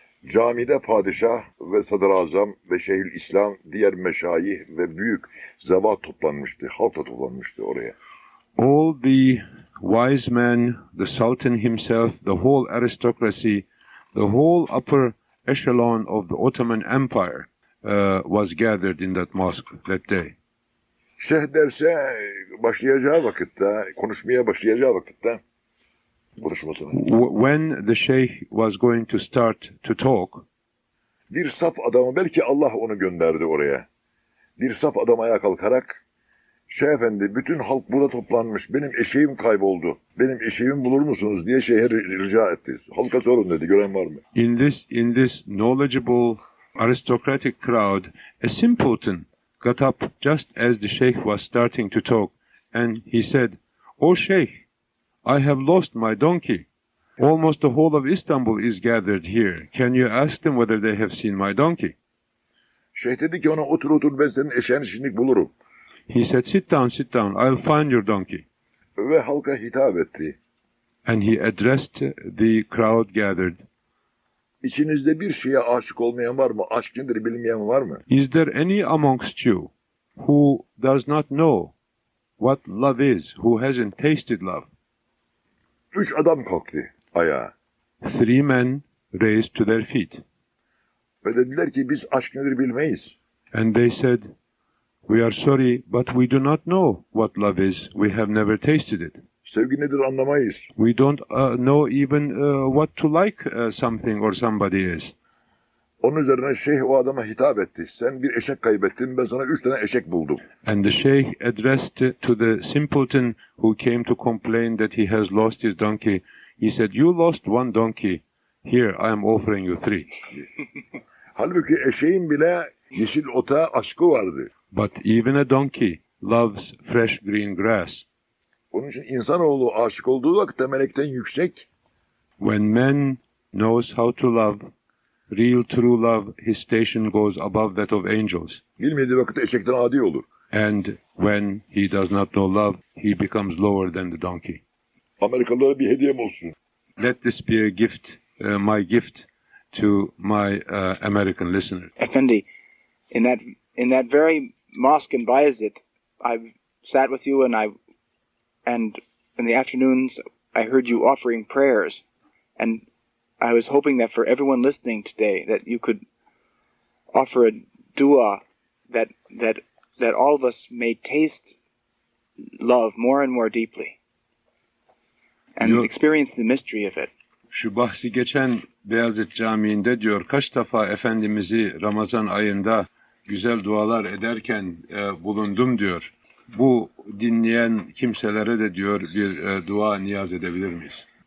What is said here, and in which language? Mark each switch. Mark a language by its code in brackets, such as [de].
[tr] Camide padişah ve sadrazam ve Şeyhül İslam, diğer meşayih ve büyük zevat toplanmıştı. Halk da toplanmıştı oraya. [en] All the wise men, the Sultan himself, the whole aristocracy, the whole upper echelon of the Ottoman Empire was gathered in that mosque that day. [tr] Şeyh derse başlayacağı vakitte, konuşmaya başlayacağı vakitte, konuşmasına. [en] When the Sheikh was going to start to talk, [tr] bir saf adamı, belki Allah onu gönderdi oraya, bir saf adam ayağa kalkarak, Şeyh Efendi, bütün halk burada toplanmış, benim eşeğim kayboldu, benim eşeğimi bulur musunuz diye şeyhe rica etti. Halka sorun dedi, gören var mı? [en] In this knowledgeable aristocratic crowd, a simpleton got up just as the sheikh was starting to talk, and he said, "O sheikh, I have lost my donkey. Almost the whole of Istanbul is gathered here. Can you ask them whether they have seen my donkey?" [tr] Sheikh dedi ki, "Ona otur otur, ben senin eşeğini şimdi bulurum." [en] He said, sit down, I'll find your donkey. [tr] Ve halka hitap etti. [en] And he addressed the crowd gathered. [tr] İçinizde bir şeye aşık olmayan var mı? Aşk nedir bilmeyen var mı? [en] Is there any amongst you who does not know what love is, who hasn't tasted love? [tr] Üç adam kalktı ayağa. [en] Three men raised to their feet. [tr] Ve dediler ki, biz aşk nedir bilmeyiz. [en] And they said, we are sorry, but we do not know what love is. We have never tasted it. [tr] Sevgi nedir anlamayız. [en] We don't know even what to like something or somebody is. [tr] Onun üzerine şeyh o adama hitap etti. Sen bir eşek kaybettin, ben sana üç tane eşek buldum. [en] And the sheikh addressed to the simpleton who came to complain that he has lost his donkey. He said, you lost one donkey. Here, I am offering you three. [tr] Halbuki eşeğin bile yeşil ota aşkı vardı. [en] But even a donkey loves fresh green grass. [tr] Onun için insanoğlu aşık olduğu vakitte melekten yüksek, [en] When man knows how to love, real true love, his station goes above that of angels. [tr] Bilmediği vakitte eşekten adi olur. [en] And when he does not know love, he becomes lower than the donkey. [tr] Amerikalılara bir hediyem olsun. [en] Let this be a gift, my gift to my American listeners. Efendi, in that very mosque in Bayezid, I sat with you and in the afternoons I heard you offering prayers, and I was hoping that for everyone listening today that you could offer a dua that all of us may taste love more and more deeply and yok, experience the mystery of it. [tr] Şu bahsi geçen Beyazıt Camii'nde diyor, kaç defa Efendimiz'i Ramazan ayında güzel dualar ederken bulundum diyor. Bu dinleyen kimselere de diyor bir dua niyaz edebilir miyiz?